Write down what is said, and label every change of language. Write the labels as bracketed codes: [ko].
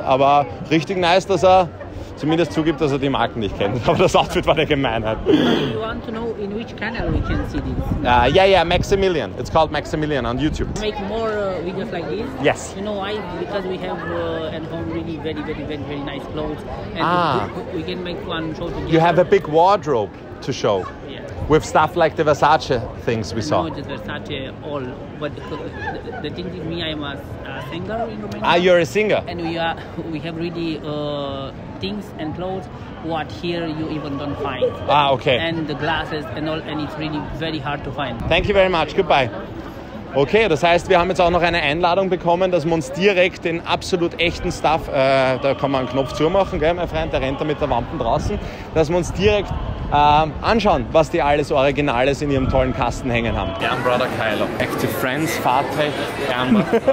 [de] Aber richtig nice, dass er zumindest zugibt, dass er die Marken nicht kennt. Aber das Outfit war der Gemeinheit. [en] You want to know in which channel we can see this? Yeah, Maximilian. It's called Maximilian on YouTube. Make more videos like this? Yes. You know why? Because we have at home really very, very, very, very nice clothes. And we can make one show together. You have a big wardrobe to show. Yeah. With stuff like the Versace things we saw. No, just Versace all. But the thing is, me, I'm a singer in Romania. Ah, you're a singer. And we have really... things and clothes what here you even don't find. Ah, okay. And the glasses and all, and it's really very hard to find. Thank you very much. Goodbye. [de] Okay, das heißt, wir haben jetzt auch noch eine Einladung bekommen, dass wir uns direkt den absolut echten Stuff, da kann man einen Knopf zumachen, gell, mein Freund, der rennt da mit der Wampe draußen, dass wir uns direkt anschauen, was die alles Originales in ihrem tollen Kasten hängen haben. Gern, Brother Kylo. Active Friends, Fahrtech, gern.